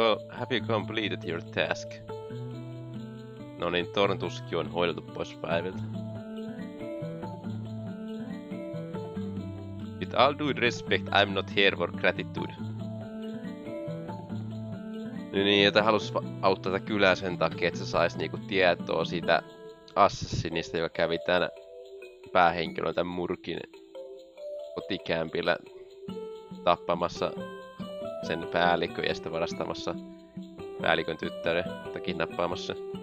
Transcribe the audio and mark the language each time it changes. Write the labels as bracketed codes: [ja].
[en] Have you completed your task? [fi] No niin, tornituskin on hoidettu pois päiviltä. [en] With all due respect, I'm not here for gratitude. [fi] Niin, että halusi auttaa tätä kylää sen takia, että se saisi niinku tietoa siitä assassinista, joka kävi tänä päähenkilön tämän murkin kotikämpillä tappamassa sen päällikön ja sitten varastamassa päällikön tyttären tai kidnappaamassa.